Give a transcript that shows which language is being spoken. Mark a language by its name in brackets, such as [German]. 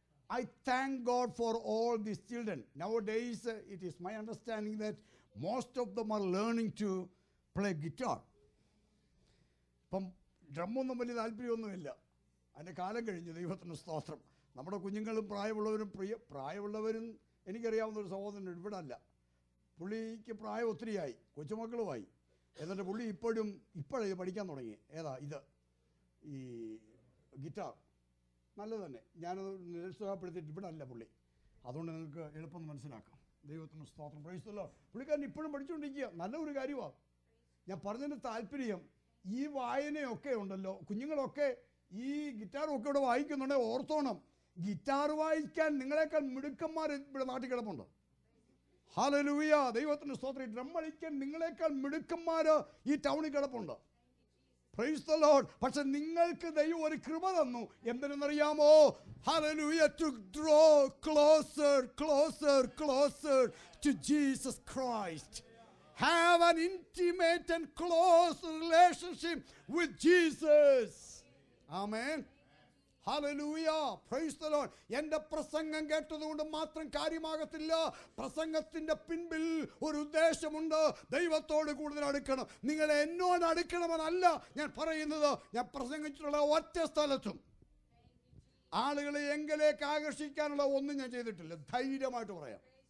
[English] I thank God for all these children. Nowadays, it is my understanding that most of them are learning to play guitar. [Malayalam] ഡ്രമ്മൊന്നും വലിയ താല്പര്യമൊന്നുമില്ല, അതിൻ്റെ കാലം കഴിഞ്ഞു, ദൈവത്തിൻ്റെ സ്തോത്രം. നമ്മുടെ കുഞ്ഞുങ്ങളും പ്രായമുള്ളവരും, പ്രായമുള്ളവരും എനിക്കറിയാവുന്ന ഒരു സഹോദരൻ ഇവിടെ അല്ല, പുള്ളിക്ക് പ്രായം ഒത്തിരിയായി, കൊച്ചുമക്കളുമായി, എന്നിട്ട് പുള്ളി ഇപ്പോഴും ഇപ്പോഴേ പഠിക്കാൻ തുടങ്ങി. ഏതാ ഇത്? ഈ ഗിറ്റാർ. നല്ലത് തന്നെ, ഞാനത് നിരുത്സാഹപ്പെടുത്തിയിട്ട് ഇവിടെ അല്ല പുള്ളി, അതുകൊണ്ട് നിങ്ങൾക്ക് എളുപ്പം മനസ്സിലാക്കാം. ദൈവത്തിൻ്റെ സ്തോത്രം, [English] Praise the Lord. [Malayalam] പുള്ളിക്കാരൻ ഇപ്പോഴും പഠിച്ചുകൊണ്ടിരിക്കുക, നല്ല ഒരു കാര്യമാണ്. ഞാൻ പറഞ്ഞതിൻ്റെ താല്പര്യം, ഈ വായനയൊക്കെ ഉണ്ടല്ലോ, കുഞ്ഞുങ്ങളൊക്കെ ഈ ഗിറ്റാറൊക്കെ ഇവിടെ വായിക്കുന്നുണ്ടെങ്കിൽ ഓർത്തോണം, ഗിറ്റാർ വായിക്കാൻ നിങ്ങളെക്കാൾ മിടുക്കന്മാർ ഇവിടെ നാട്ടിൽ കിടപ്പുണ്ട്. ഹല്ലേലൂയ, ദൈവത്തിൻ്റെ സ്തോത്രം. ഡ്രം അടിക്കാൻ നിങ്ങളെക്കാൾ മിടുക്കന്മാർ ഈ ടൗണിൽ കിടപ്പുണ്ട്. [English] Praise the Lord. [Malayalam] പക്ഷെ നിങ്ങൾക്ക് ദൈവം ഒരു കൃപ തന്നു, എന്തിനെന്നറിയാമോ? [English] Hallelujah, to draw closer, closer, closer to Jesus Christ. Have an intimate and close relationship with Jesus. Amen. Hallelujah. Praise the Lord. [Malayalam] എൻ്റെ പ്രസംഗം കേട്ടതുകൊണ്ട് മാത്രം കാര്യമാകത്തില്ല, പ്രസംഗത്തിൻ്റെ പിൻപിൽ ഒരു ഉദ്ദേശമുണ്ട്. ദൈവത്തോട് കൂടുതൽ അടുക്കണം. നിങ്ങൾ എന്നോട് അടുക്കണമെന്നല്ല ഞാൻ പറയുന്നത്. ഞാൻ പ്രസംഗിച്ചിട്ടുള്ള ഒറ്റ സ്ഥലത്തും ആളുകളെ എങ്കിലേക്ക് ആകർഷിക്കാനുള്ള ഒന്നും ഞാൻ ചെയ്തിട്ടില്ല. ധൈര്യമായിട്ട് പറയാം.